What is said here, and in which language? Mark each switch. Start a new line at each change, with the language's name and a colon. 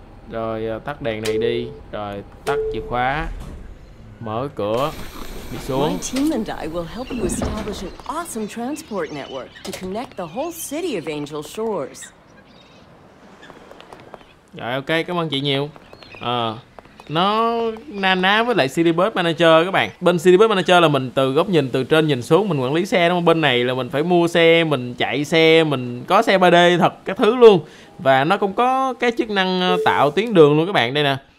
Vietnamese: Rồi tắt đèn này đi, rồi tắt chìa khóa. Mở cửa.
English: My team and I will help you establish an awesome transport network to connect the whole city of Angel Shores.
Vietnamese: Rồi ok, cảm ơn chị nhiều. À, nó na ná với lại City Bus Manager các bạn. Bên City Bus Manager là mình từ góc nhìn từ trên nhìn xuống mình quản lý xe, đúng không? Bên này là mình phải mua xe, mình chạy xe, mình có xe 3D thật các thứ luôn. Và nó cũng có cái chức năng tạo tuyến đường luôn các bạn, đây nè.